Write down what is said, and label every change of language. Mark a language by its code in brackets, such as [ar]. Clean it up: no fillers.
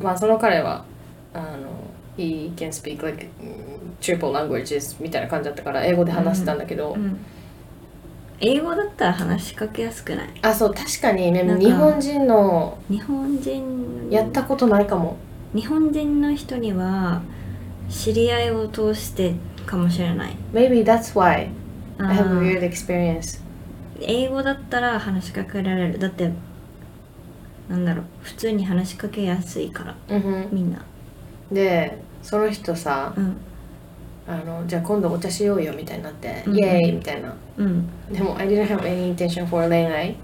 [ja] まあその彼はあの [en] He can speak like triple languages [ja] みたいな感じだったから英語で話したんだけど、うんうん、英語だったら話しかけやすくない？あ、そう、確かに、ね、か日本人の日本人やったことないかも。日本人の人には知り合いを通してかもしれない。 [en] Maybe that's why I have a weird experience。 [ja] 英語だったら話しかけられる、だってなんだろう、普通に話しかけやすいから、うん、みんなで、その人さ、うん、あのじゃあ今度お茶しようよみたいになって、うん、イエーイみたいな、うん、でも [en] I didn't have any intention for 恋愛、